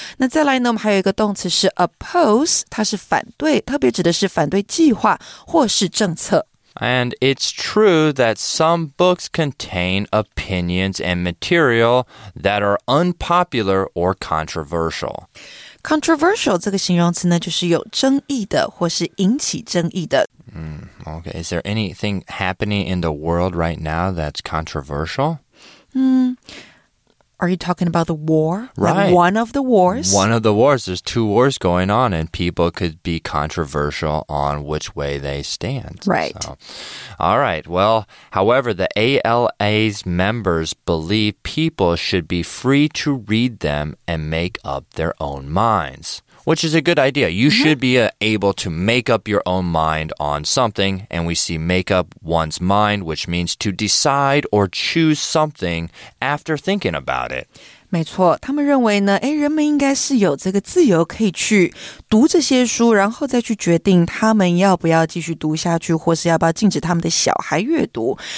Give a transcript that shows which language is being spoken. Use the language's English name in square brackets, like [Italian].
[Chinese] 那再来呢，我们还有一个动词是 oppose, 它是反对，特别指的是反对计划或是政策。 [English] And it's true that some books contain opinions and material that are unpopular or controversial. [Chinese] Controversial 这个形容词呢，就是有争议的或是引起争议的。 [English] Okay, is there anything happening in the world right now that's controversial? Are you talking about the war? Right. Like one of the wars? One of the wars. There's two wars going on, and people could be controversial on which way they stand. Right. So, all right. Well, however, the ALA's members believe people should be free to read them and make up their own minds, which is a good idea. You should be able to make up your own mind on something, and we see make up one's mind, which means to decide or choose something after thinking about it. [Chinese] 没错，他们认为呢，哎，人们应该是有这个自由可以去读这些书，然后再去决定他们要不要继续读下去，或是要不要禁止他们的小孩阅读。